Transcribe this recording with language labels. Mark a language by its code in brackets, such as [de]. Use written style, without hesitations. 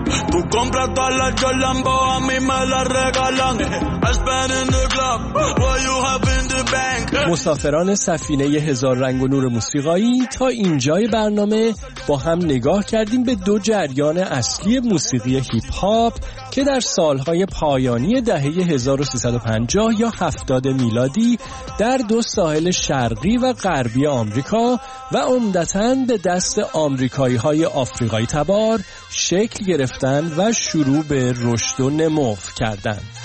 [es] Tú compras todas las Jolambo, a mí me las regalan. [en] I spend in the club, what you have in the bank. [fa] مسافران سفینه هزار رنگ و نور موسیقایی، تا اینجای برنامه با هم نگاه کردیم به دو جریان اصلی موسیقی هیپ هاپ که در سالهای پایانی دهه 1350 یا 70 میلادی در دو ساحل شرقی و غربی آمریکا و عمدتاً به دست آمریکایی‌های آفریقایی تبار شکل گرفتن و شروع به رشد و نمو کردند.